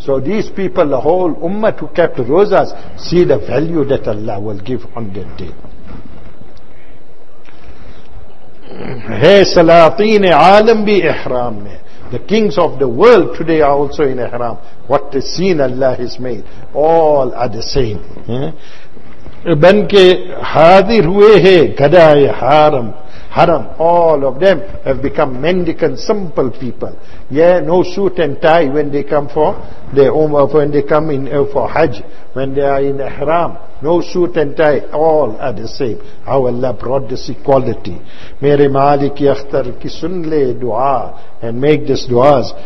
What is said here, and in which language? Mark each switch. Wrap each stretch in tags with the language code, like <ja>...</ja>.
<en>So these people, the whole ummah who kept rozas, see the value that Allah will give on that day.</en> <ur>Hey, Salatine Alam bi Ihram.</ur> <en>The kings of the world today are also in Ihram. What a scene Allah has made. All are the same.</en> <ur>بن کے حاضر ہوئے ہیں گدائے حرم حرم.</ur> <en>All of them have become mendicant, simple people. Yeah, no suit and tie when they come for their umrah, when they come in for Hajj, when they are in Ihram. No suit and tie, all are the same. How Allah brought this equality.</en> <ur>Mere Malik ki akhtar ki sun le dua</ur> <en>and make this duas.</en>